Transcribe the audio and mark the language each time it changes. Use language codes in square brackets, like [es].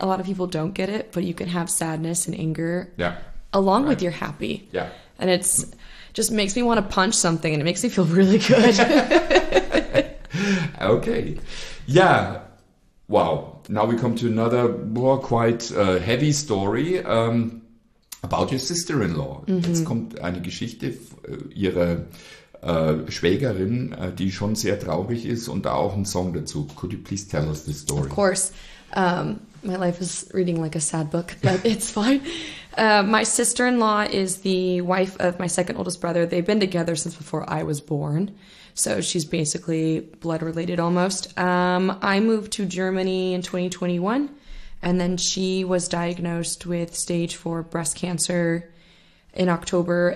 [en] A lot of people don't get it, but you can have sadness and anger along with your happy. Yeah. And it's just makes me want to punch something, and it makes me feel really good. Okay. Yeah. Wow. Now we come to another more quite heavy story. About your sister-in-law. Mm-hmm. [de] Jetzt kommt eine Geschichte ihrer Schwägerin, die schon sehr traurig ist, und da auch ein Song dazu. [en] Could you please tell us the story? Of course. My life is reading like a sad book, but it's fine. My sister-in-law is the wife of my second oldest brother. They've been together since before I was born. So she's basically blood related almost. I moved to Germany in 2021. And then she was diagnosed with stage 4 breast cancer in October.